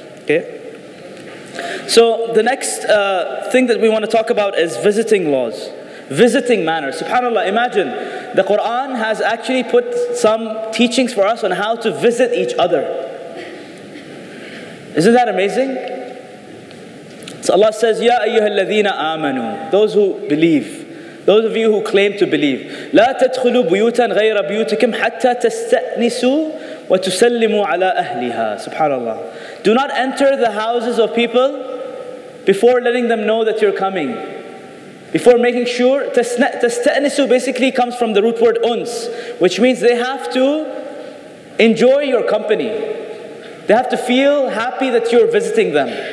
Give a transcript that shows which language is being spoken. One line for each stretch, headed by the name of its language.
English: Okay. So the next thing that we want to talk about is visiting laws, visiting manners. SubhanAllah, imagine the Quran has actually put some teachings for us on how to visit each other. Isn't that amazing? So Allah says, Ya ayyuhalladhina amanu, those who believe.
Arabic: Those of you who claim to believe, لا تدخلوا بيوتا غير بيوتكم حتى تستأنسوا وتسلموا على أهلها.
English: SubhanAllah. Do not enter the houses of people before letting them know that you're coming. Before making sure, تستأنسوا basically comes from the root word أنس, which means they have to enjoy your company. They have to feel happy that you're visiting them.